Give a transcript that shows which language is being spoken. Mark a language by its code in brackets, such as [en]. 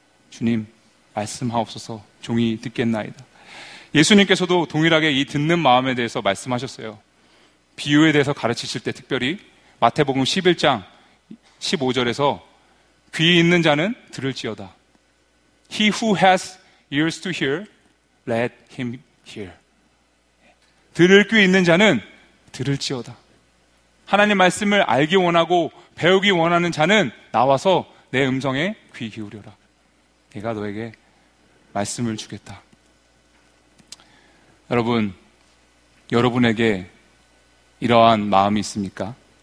[ko] 주님, 말씀하옵소서, 종이 듣겠나이다. 예수님께서도 동일하게 이 듣는 마음에 대해서 말씀하셨어요. 비유에 대해서 가르치실 때 특별히 마태복음 11장 15절에서 귀 있는 자는 들을지어다. [en] He who has ears to hear, let him hear. [ko] 들을 귀 있는 자는 들을지어다. 하나님 말씀을 알기 원하고 배우기 원하는 자는 나와서 내 음성에 귀 기울여라. 내가 너에게 말씀을 주겠다. 여러분, 여러분에게 이러한 마음이 있습니까?